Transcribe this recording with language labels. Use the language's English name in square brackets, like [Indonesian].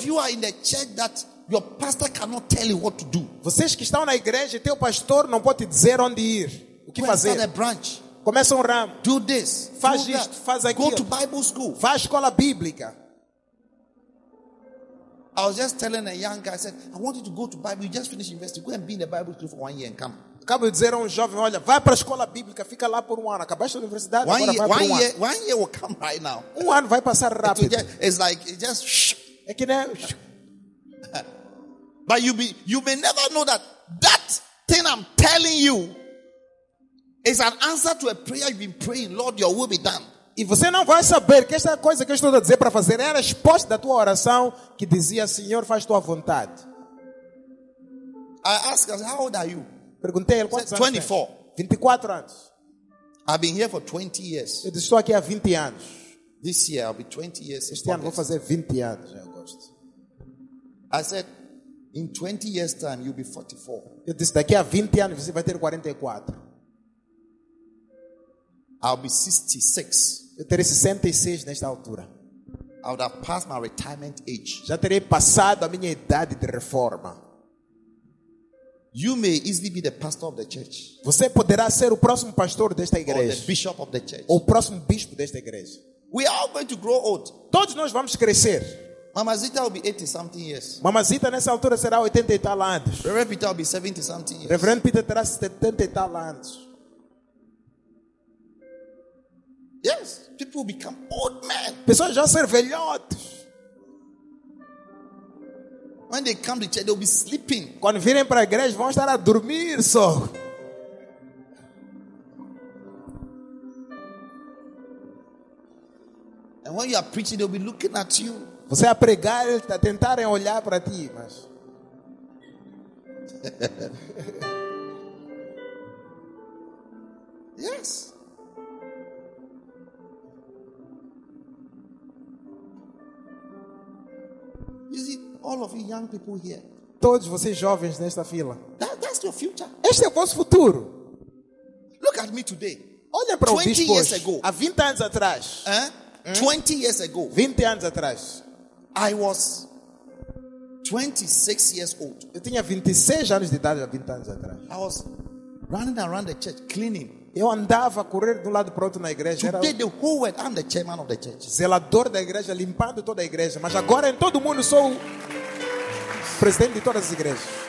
[English] Those of you are in the church that your pastor cannot tell you what to do. [Portuguese] Vocês que estão na igreja, teu pastor não pode te dizer onde ir, o que fazer. [English] Start a branch. [Portuguese] Começa ramo. [English] Do this. [Portuguese] Faz [English] do [Portuguese] isto, [English] that. [Portuguese] Faz aquilo. [English] Go to Bible school. [Portuguese] Vá à escola bíblica. [English] I was just telling a young guy, I said, I want you to go to Bible. You just finished university. Go and be in the Bible school for 1 year and come. [Portuguese] Acabo de dizer a jovem, olha, vai para a escola bíblica, fica lá por ano. Acabaste a universidade, [English] one [Portuguese] agora [English] year, [Portuguese] vai para [English] year, 1 year will come right now. [Portuguese] Ano vai passar rápido. [English] It's like, it's just, [Portuguese] é que nem... [English] But you may never know that that thing I'm telling you is an answer to a prayer you've been praying, Lord, your will be done. [Portuguese] E você não vai saber que essa coisa que eu estou a dizer para fazer é a resposta da tua oração que dizia, Senhor, faz tua vontade. [English] I asked, how old are you? [Portuguese] Perguntei ele quantos [English] 24. [Portuguese] Anos 24 anos. [English] I've been here for 20 years. [Portuguese] Eu estou aqui há 20 anos. [English] This year I'll be 20 years. [Portuguese] Este ano vou fazer 20 anos em agosto. [English] I said, in 20 years time you'll be 44. [Portuguese] Eu disse, daqui a 20 anos você vai ter 44. [English] I'll be 66. [Portuguese] Eu terei 66 nesta altura. [English] I would have passed my retirement age. [Portuguese] Já terei passado a minha idade de reforma. [English] You may easily be the pastor of the church. [Portuguese] Você poderá ser o próximo pastor desta igreja. [English] Or the bishop of the church. [Portuguese] Ou o próximo bispo desta igreja. [English] We are all going to grow old. [Portuguese] Todos nós vamos crescer. [English] Mamazita will be 80 something years. [Portuguese] Mamazita nessa altura será 80 e tal anos. [English] Reverend Peter will be 70 something years. [Portuguese] Reverend Peter terá 70 e tal anos. [English] Yes, people become old men. [Portuguese] Pessoas já ser velhotes. [English] When they come to church, they'll be sleeping. [Portuguese] Quando virem para a igreja, vão estar a dormir só. [English] And when you are preaching, they'll be looking at you. [Portuguese] Você a pregar, eles a tentarem olhar para ti, mas. [English] Yes. You see, all of you young people here. [Portuguese] Todos vocês jovens nesta fila. [English] That's your future. [Portuguese] Este é o vosso futuro. [English] Look at me today. [Portuguese] Olha para o bispo. [English] 20 years ago. [Portuguese] Há 20 anos atrás. [English] 20 years ago. [Portuguese] 20 anos atrás. [English] I was 26 years old. [Portuguese] Eu tinha 26 anos de idade há 20 anos atrás. [English] I was running around the church cleaning. [Portuguese] Eu andava a correr de um lado para o outro na igreja. [English] Today, the whole world, I'm the chairman of the church. [Portuguese] Zelador da igreja, limpando toda a igreja. Mas agora em todo mundo sou presidente de todas as igrejas.